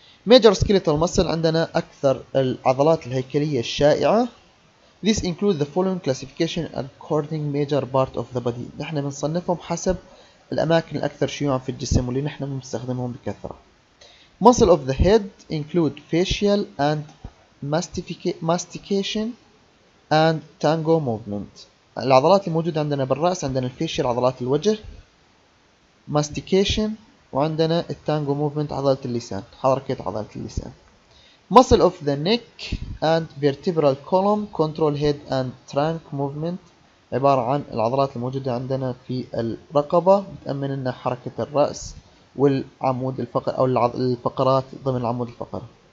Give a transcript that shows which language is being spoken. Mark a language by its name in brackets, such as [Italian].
[English] major skeletal muscle، [Arabic] عندنا اكثر العضلات الهيكلية الشائعة. [English] this include the following classification according major part of the body، [Arabic] نحن بنصنفهم حسب الاماكن الاكثر شيوعا في الجسم واللي نحن بنستخدمهم بكثرة. [English] Muscle of the head include facial and mastication and tango movement. [Arabic] العضلات الموجودة عندنا بالرأس، عندنا الفيشيال عضلات الوجه، mastication، وعندنا التانجو movement عضلة اللسان، حركة عضلة اللسان. [English] Muscle of the neck and vertebral column control head and trunk movement، [Arabic] عبارة عن العضلات الموجودة عندنا في الرقبة، بتأمن لنا حركة الرأس والعمود الفقري او الفقرات ضمن العمود الفقري.